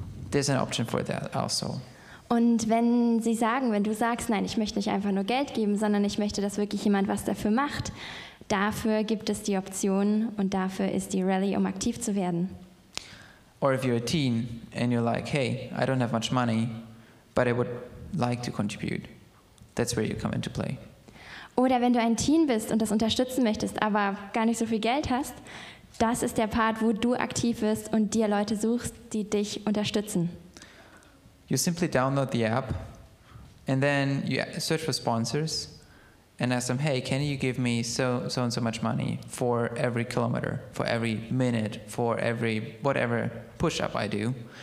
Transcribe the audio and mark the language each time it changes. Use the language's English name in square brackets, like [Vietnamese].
[English] There's an option for that also. [German] Und wenn sie sagen, wenn du sagst, nein, ich möchte nicht einfach nur Geld geben, sondern ich möchte, dass wirklich jemand was dafür macht, dafür gibt es die Option und dafür ist die Rally, um aktiv zu werden. [English] Or if you're a teen and you're like, hey, I don't have much money, but I would like to contribute. That's where you come into play. [German] Oder wenn du ein Teen bist und das unterstützen möchtest, aber gar nicht so viel Geld hast, das ist der Part, wo du aktiv bist und dir Leute suchst, die dich unterstützen. [English] You simply download the app and then you search for sponsors and ask them, hey, can you give me so and so much money for every kilometer, for every minute, for every whatever push-up I do?